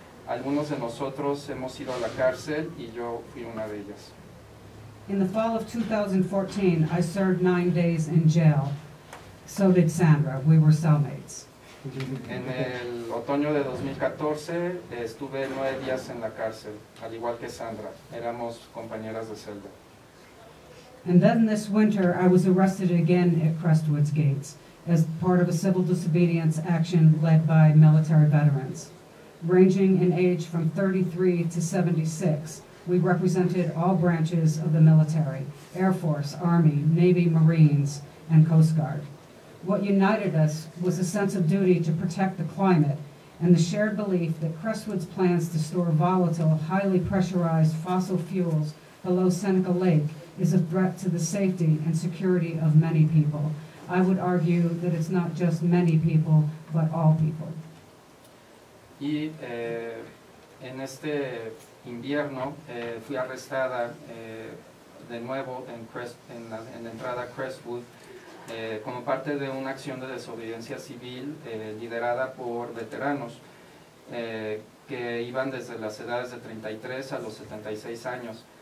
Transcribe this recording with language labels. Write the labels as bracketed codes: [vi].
[es] Algunos de nosotros hemos ido a la cárcel y yo fui una de ellas. [en] In the fall of 2014, I served 9 days in jail. So did Sandra. We were cellmates. [es] En el otoño de 2014, estuve 9 días en la cárcel, al igual que Sandra. Éramos compañeras de celda. [en] And then this winter, I was arrested again at Crestwood's gates as part of a civil disobedience action led by military veterans. Ranging in age from 33 to 76, we represented all branches of the military, Air Force, Army, Navy, Marines, and Coast Guard. What united us was a sense of duty to protect the climate and the shared belief that Crestwood's plans to store volatile, highly pressurized fossil fuels below Seneca Lake is a threat to the safety and security of many people. I would argue that it's not just many people, but all people. [es] Y en este invierno fui arrestada de nuevo en la entrada Crestwood como parte de una acción de desobediencia civil liderada por veteranos que iban desde las edades de 33 a los 76 años.